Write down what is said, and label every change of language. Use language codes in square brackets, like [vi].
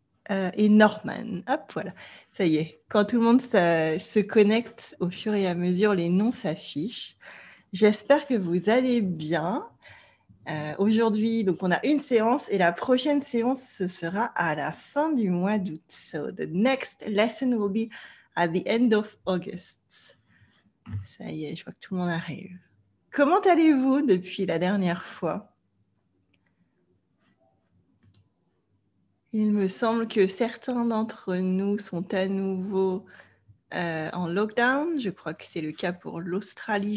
[fr] Et Norman. Hop, voilà. Ça y est, quand tout le monde se connecte au fur et à mesure, les noms s'affichent. J'espère que vous allez bien. Aujourd'hui, donc on a une séance et la prochaine séance, ce sera à la fin du mois d'août. [en] So, the next lesson will be at the end of August. [fr] Ça y est, je vois que tout le monde arrive. Comment allez-vous depuis la dernière fois? Il me semble que certains d'entre nous sont à nouveau en lockdown. Je crois que c'est le cas pour l'Australie.